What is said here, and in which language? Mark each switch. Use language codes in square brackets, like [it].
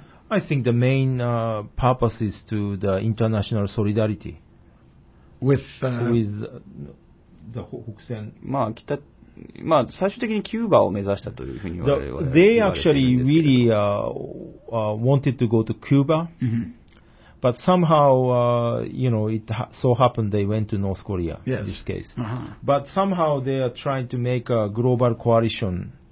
[en] I think the main purpose is to the international solidarity with [ja] the 北線。まあ北、まあ最終的にキューバを目指したというふうに言われるんですけど。 [en] They actually really wanted to go to Cuba,、 mm-hmm. but somehow, you know, it so happened they went to North Korea、 yes. in this case.、 Uh-huh. But somehow they are trying to make a global coalition.